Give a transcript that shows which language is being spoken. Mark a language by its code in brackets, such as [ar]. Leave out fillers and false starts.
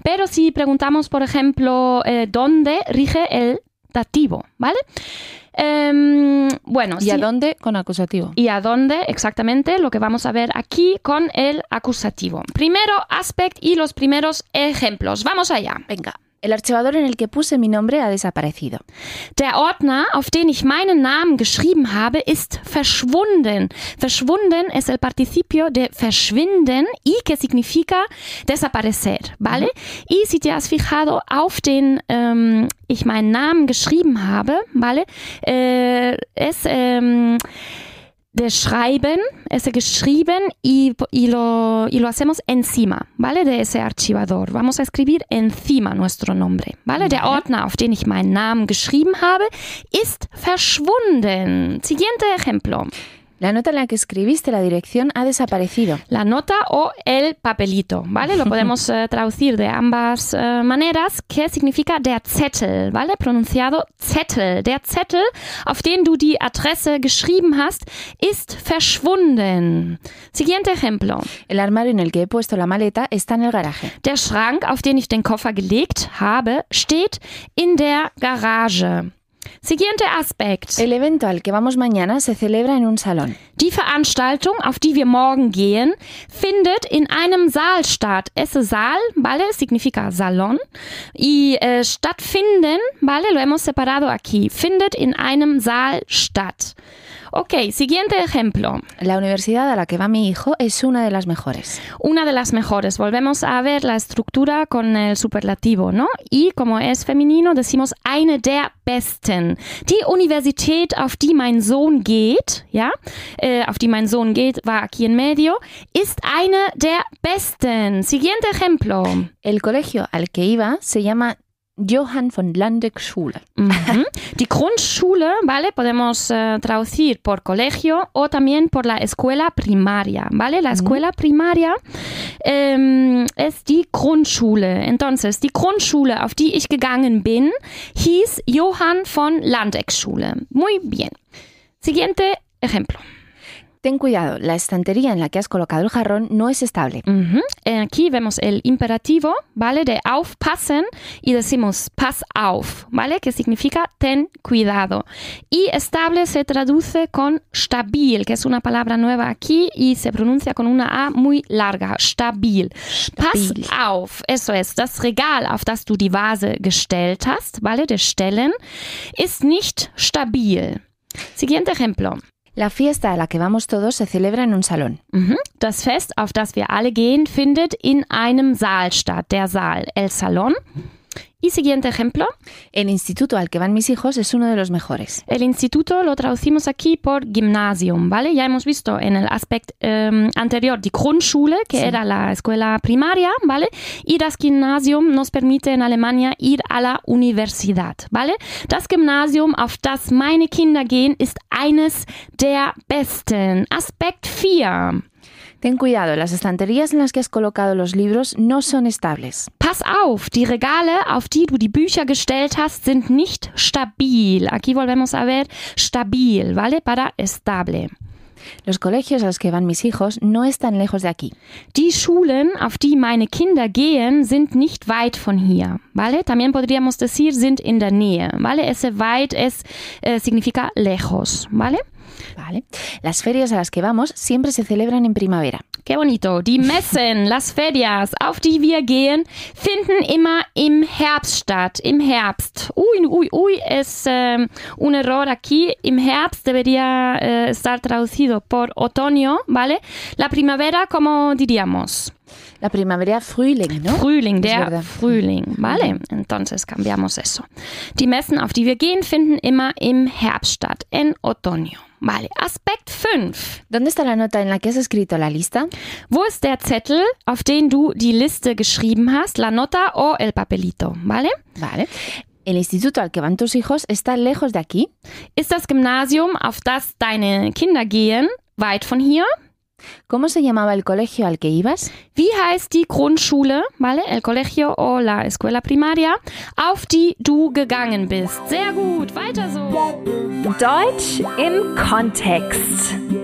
[es] Pero si preguntamos, por ejemplo, dónde, rige el dativo, ¿vale? Bueno, ¿y sí. a dónde con acusativo? ¿Y a dónde? Exactamente lo que vamos a ver aquí con el acusativo. Primero aspect y los primeros ejemplos. Vamos allá. Venga. El archivador en el que puse mi nombre ha desaparecido. [de] Der Ordner, auf den ich meinen Namen geschrieben habe, ist verschwunden. [es] Verschwunden es el participio de verschwinden y que significa desaparecer, ¿vale? Uh-huh. Y si te has fijado, [de] auf den ich meinen Namen geschrieben habe, [es] ¿vale? Es de schreiben, es geschrieben y lo hacemos encima, ¿vale? De ese archivador. Vamos a escribir encima nuestro nombre, ¿vale? [de] Okay. Der Ordner, auf den ich meinen Namen geschrieben habe, ist verschwunden. [es] Siguiente ejemplo. La nota en la que escribiste la dirección ha desaparecido. La nota o el papelito, ¿vale? Lo podemos traducir de ambas maneras, que significa [de] der Zettel, [es] ¿vale? Pronunciado Zettel. [de] Der Zettel, auf den du die Adresse geschrieben hast, ist verschwunden. [es] Siguiente ejemplo. El armario en el que he puesto la maleta está en el garaje. [de] Der Schrank, auf den ich den Koffer gelegt habe, steht in der Garage. [es] Siguiente aspect. El evento al que vamos mañana se celebra en un salón. [de] Die Veranstaltung, auf die wir morgen gehen, findet in einem Saal statt. [es] Ese Saal, ¿vale? Significa salón. Y stattfinden, ¿vale? Lo hemos separado aquí. [de] Findet in einem Saal statt. [es] Ok, siguiente ejemplo. La universidad a la que va mi hijo es una de las mejores. Una de las mejores. Volvemos a ver la estructura con el superlativo, ¿no? Y como es femenino, decimos [de] eine der besten. Die Universität, auf die mein Sohn geht, ja, auf die mein Sohn geht, [es] va aquí en medio, [de] ist eine der besten. [es] Siguiente ejemplo. El colegio al que iba se llama Johann von Landeck Schule. [de] Mm-hmm. Die Grundschule, ¿vale? [es] Podemos traducir por colegio o también por la escuela primaria, ¿vale? La escuela primaria es die Grundschule. [de] Entonces, die Grundschule, auf die ich gegangen bin, hieß Johann von Landeck Schule. [es] Muy bien. Siguiente ejemplo. Ten cuidado, la estantería en la que has colocado el jarrón no es estable. Uh-huh. Aquí vemos el imperativo, ¿vale? De aufpassen y decimos [de] pass auf, [es] ¿vale? Que significa ten cuidado. Y estable se traduce con stabil, que es una palabra nueva aquí y se pronuncia con una A muy larga. [de] Stabil. Pass auf, [es] eso es. [de] Das Regal, auf das du die Vase gestellt hast, ¿vale? De stellen, ist nicht stabil. [es] Siguiente ejemplo. La fiesta a la que vamos todos se celebra en un salón. [de] Das Fest, auf das wir alle gehen, findet in einem Saal statt. [es] Der Saal, el salón. Y siguiente ejemplo. El instituto al que van mis hijos es uno de los mejores. El instituto lo traducimos aquí por gymnasium, ¿vale? Ya hemos visto en el aspecto anterior die Grundschule, que sí. Era la escuela primaria, ¿vale? Y das gymnasium nos permite en Alemania ir a la universidad, ¿vale? [de] Das gymnasium, auf das meine Kinder gehen, ist eines der besten. Aspekt 4. [es] Ten cuidado, las estanterías en las que has colocado los libros no son estables. [de] Pass auf, die Regale, auf die du die Bücher gestellt hast, sind nicht stabil. [es] Aquí volvemos a ver stabil, ¿vale? Para estable. Los colegios a los que van mis hijos no están lejos de aquí. [de] Die Schulen, auf die meine Kinder gehen, sind nicht weit von hier, ¿vale? [es] También podríamos decir [de] sind in der Nähe, [es] ¿vale? Ese weit es significa lejos, ¿vale? Vale. Las ferias a las que vamos siempre se celebran en primavera. Qué bonito. [de] Die Messen, [es] las ferias, [de] auf die wir gehen, finden immer im Herbst statt. Im Herbst. [es] Uy, uy, uy, es un error aquí. Im Herbst debería estar traducido por otoño, ¿vale? La primavera, ¿cómo diríamos? La primavera, Frühling, ¿no? Frühling, es der verdad. Frühling, ¿vale? Entonces cambiamos eso. [de] Die Messen, auf die wir gehen, finden immer im Herbst statt, [es] en otoño. Vale, Aspekt 5. ¿Dónde está la nota en la que has escrito la lista? [de] Wo ist der Zettel, auf den du die Liste geschrieben hast? [es] La nota o el papelito, ¿vale? Vale. ¿El instituto al que van tus hijos está lejos de aquí? [de] ¿Ist das Gymnasium, auf das deine Kinder gehen, weit von hier? [es] ¿Cómo se llamaba el colegio al que ibas? [de] Wie heißt die Grundschule, ¿vale? [es] El colegio o la escuela primaria, [de] auf die du gegangen bist. Sehr gut, weiter so. Deutsch im Kontext.